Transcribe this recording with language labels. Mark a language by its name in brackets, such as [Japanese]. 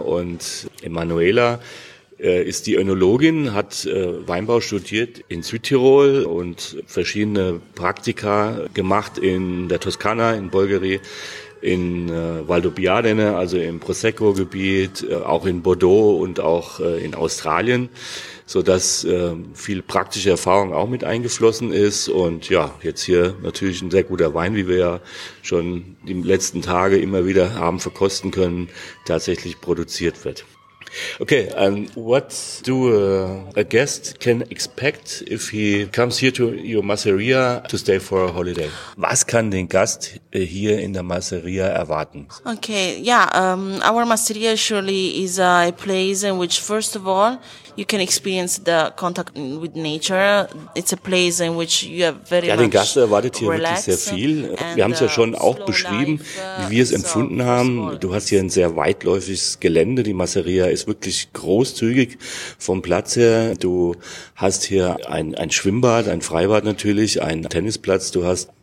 [German] Und Emanuela ist die Önologin, hat Weinbau studiert in Südtirol und verschiedene Praktika gemacht in der Toskana, in Bolgheri, in Valdobbiadene, also im Prosecco-Gebiet, auch in Bordeaux und auch in Australien, sodass viel praktische Erfahrung auch mit eingeflossen ist. Und ja, jetzt hier natürlich ein sehr guter Wein, wie wir ja schon die letzten Tage immer wieder haben verkosten können, tatsächlich produziert wird. [English] Okay, and what do a guest can expect if he comes here to your Masseria to stay for a holiday? [German] Was kann den Gast hier in der Masseria erwarten? [English] Okay, our Masseria surely is a place in which, first of all, you can experience the contact with nature. It's a place in which you have very much [German] Den Gast erwartet hier wirklich sehr viel. Wir haben es ja schon auch beschrieben, wie wir es empfunden haben. Du hast hier ein sehr weitläufiges Gelände. Die Masseria ist wirklich großzügig vom Platz her. Du hast hier ein Schwimmbad, ein Freibad natürlich, einen Tennisplatz. Du hast